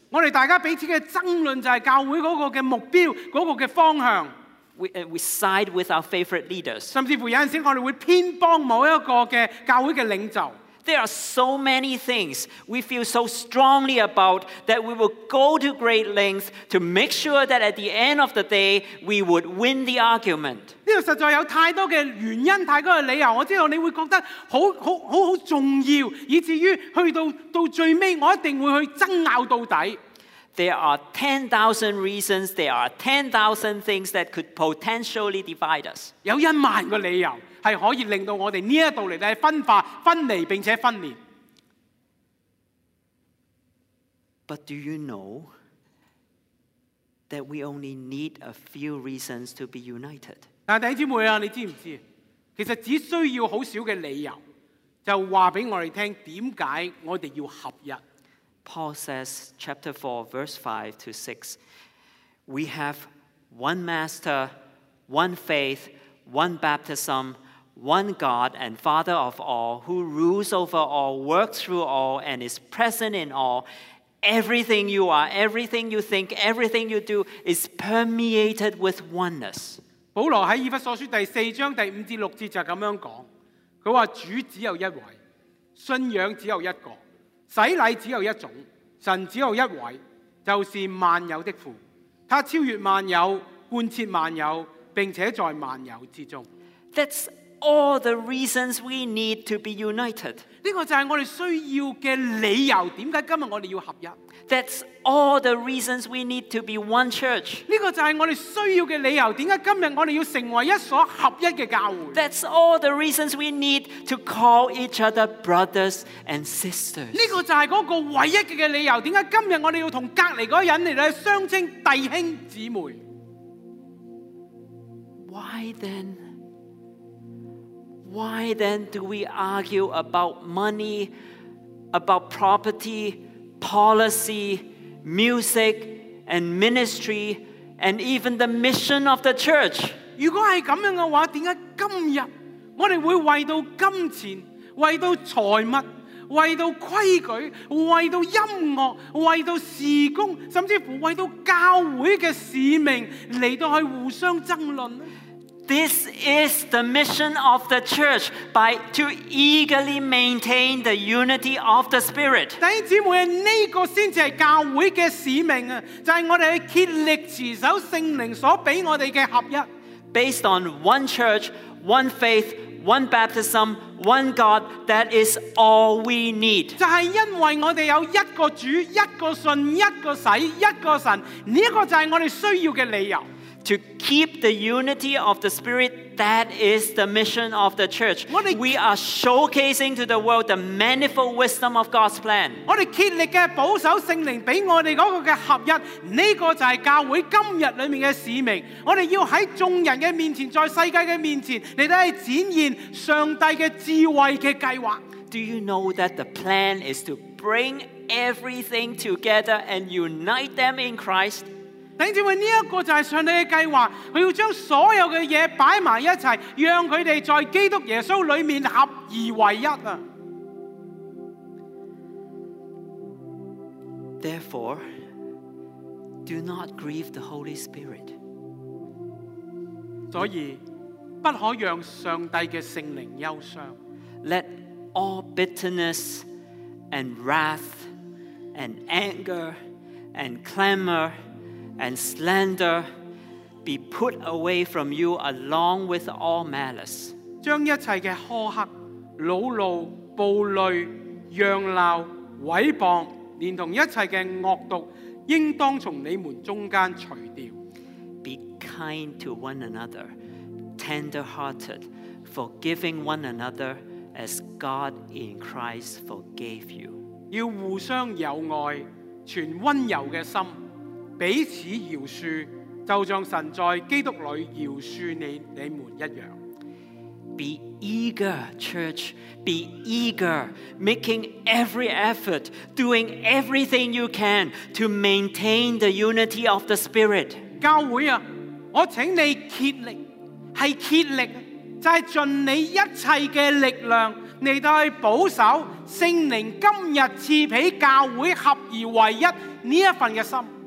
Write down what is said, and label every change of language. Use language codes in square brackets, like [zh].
[yue] 我们大家彼此的争论就是教会那个的目标、那个的方向。 [en] We side with our favorite leaders. [yue] 甚至乎有时我们会偏帮某一个的教会的领袖。 [en] There are so many things we feel so strongly about that we will go to great lengths to make sure that at the end of the day we would win the argument. [yue] 这实在有太多的原因，太多的理由。我知道你会觉得好重要，以至于去到最尾，我一定会去争拗到底。 [en] There are 10,000 reasons, there are 10,000 things that could potentially divide us. [yue] 有一萬個理由是可以令到我們這裡來分化、分離並且分裂。 [en] But do you know that we only need a few reasons to be united? [yue] 但弟兄姊妹啊，你知不知道？其實只需要很少的理由，就告訴我們為什麼我們要合一。 [en] Paul says, chapter 4, verse 5 to 6, we have one master, one faith, one baptism, one God and Father of all, who rules over all, works through all, and is present in all. Everything you are, everything you think, everything you do is permeated with oneness. [yue] 保罗在以弗所书第四章第五至六节就这样讲，他说主只有一位，信仰只有一个，洗礼只有一种，神只有一位，就是万有的父，他超越万有，贯彻万有，并且在万有之中。 [en] That's all the reasons we need to be united. [yue] 这个就是我们需要的理由，为什么今天我们要合一。 [en] That's all the reasons we need to be one church. [yue] 这个就是我们需要的理由，为什么今天我们要成为一所合一的教会。 [en] That's all the reasons we need to call each other brothers and sisters. [yue] 这个就是那个唯一的理由，为什么今天我们要跟隔离的人来相称弟兄姊妹。 [en] Why then do we argue about money, about property, policy, music, and ministry, and even the mission of the church? [yue] 如果是这样的话，为什么今天我们会为到金钱、为到财物、为到规矩、为到音乐、为到事工，甚至乎为到教会的使命，来到去互相争论？ [en] This is the mission of the church, by to eagerly maintain the unity of the Spirit. [yue] 弟兄姊妹，这个才是教会的使命，就是我们竭力持守圣灵所给我们的合一。 [en] Based on one church, one faith, one baptism, one God, that is all we need. [yue] 就是因为我们有一个主、一个信、一个洗、一个神，这个就是我们需要的理由。 [en] To keep the unity of the Spirit, that is the mission of the church. We are showcasing to the world the manifold wisdom of God's plan. [yue] 我们竭力的保守圣灵给我们那个合一，这个就是教会今日里面的使命。我们要在众人的面前，在世界的面前，来到展现上帝的智慧的计划。 [en] Do you know that the plan is to bring everything together and unite them in Christ? [yue] 弟兄姊妹，这个就是上帝的计划，他要将所有的东西摆在一起，让他们在基督耶稣里面合而为一。 [en] Therefore, do not grieve the Holy Spirit. [yue] 所以不可让上帝的圣灵忧伤。 [en] Let all bitterness and wrath and anger and clamor and slander be put away from you along with all malice. [yue] 将一切的苛刻、恼怒、暴戾、嚷闹、毁谤，连同一切的恶毒，应当从你们中间除掉。 [en] Be kind to one another, tender-hearted, forgiving one another as God in Christ forgave you. [yue] 要互相友爱，存温柔的心，彼此饶恕，就像神在基督里饶恕你们一样。 [en] Be eager, church, be eager, making every effort, doing everything you can to maintain the unity of the Spirit. [yue] 教会啊，我请你竭力，是竭力，就是尽你一切的力量，来到去保守圣灵今日赐给教会合而为一这一份的心。